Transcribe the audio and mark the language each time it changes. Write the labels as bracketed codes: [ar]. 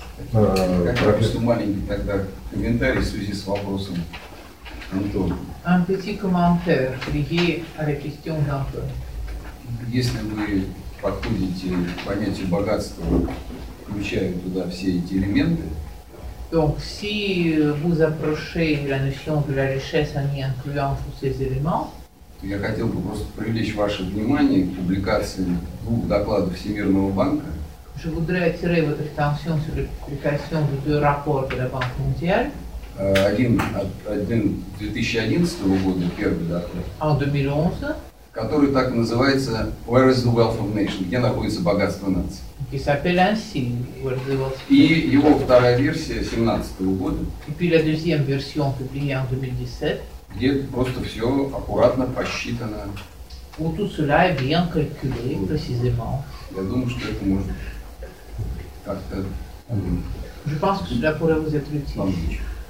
[ru] Просто маленький тогда комментарий в связи с вопросом. [fr] Un petit commentaire lié à la question d'Antoine. [ru] Если вы подходите к понятию богатства, включая туда все эти элементы. [fr] Donc, si vous approchez la notion de la richesse en y incluant tous ces éléments. [ru] Я хотел бы просто привлечь ваше внимание к публикации двух докладов Всемирного банка. [fr] Je voudrais attirer votre attention sur la publication de deux rapports de la Banque mondiale. [ru] Один 2011 года, первый доклад. А 2011? Который так называется [en] Where is the wealth of nations? [ru] Где находится богатство нации? [fr] Qui s'appelle ainsi [en] Where is the wealth of [ru] И его вторая версия 2017 года. [fr] Et puis la deuxième version publiée en 2017. [ru] Где просто все аккуратно посчитано. [fr] Où tout cela est bien calculé précisément. [ru] Я думаю, что это может как-то. [fr] Je pense que cela pourrait vous être utile.